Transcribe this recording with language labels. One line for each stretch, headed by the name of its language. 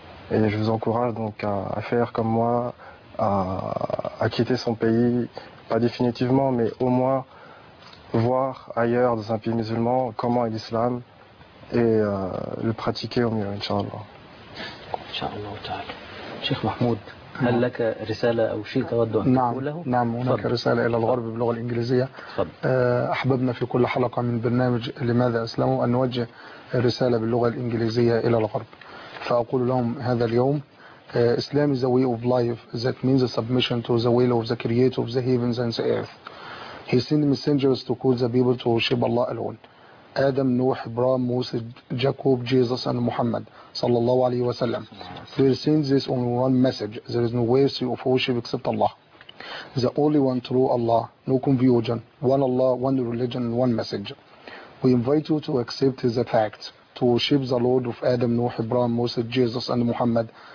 French: Et je vous encourage donc à faire comme moi, à quitter son pays, pas définitivement, mais au moins voir ailleurs dans un pays musulman comment est l'islam et le pratiquer au mieux, Inch'Allah. Inch'Allah ta'ala. Cheikh Mahmoud.
Arabic: هل لك رسالة أو شيء تود أن تقوله؟ نعم هناك رسالة إلى الغرب باللغة الإنجليزية. أحببنا في كل حلقة من برنامج لماذا أسلموا أن نوجه رسالة باللغة الإنجليزية إلى الغرب، فأقول لهم هذا اليوم إسلام
English: is a way of life that means a submission to the will of the creator of the heavens and the earth. He sent messengers to call the people to worship Allah alone. آدم، نوح، إبراهيم، موسى، Jacob, Jesus and محمد صلى الله عليه وسلم. They send this only one message. There is no way of worship except Allah. The only one true Allah. No confusion. One Allah, one religion, one message. We invite you to accept the fact to worship the Lord of Adam, Noah, Ibrahim, Moses, Jesus, and Muhammad.